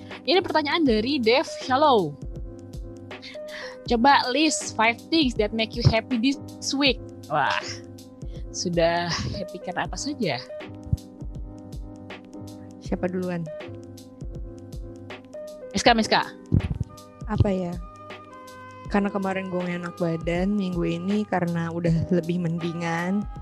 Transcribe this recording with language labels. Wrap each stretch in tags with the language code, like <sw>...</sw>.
<id>Ini pertanyaan dari Dev Shallow. Coba</id> <en>list 5 things that make you happy this week.</en> <id>Wah, sudah happy karena apa saja? Siapa duluan? Miska, Miska. Apa ya? Karena kemarin gue enak badan, minggu ini karena udah lebih mendingan.</id>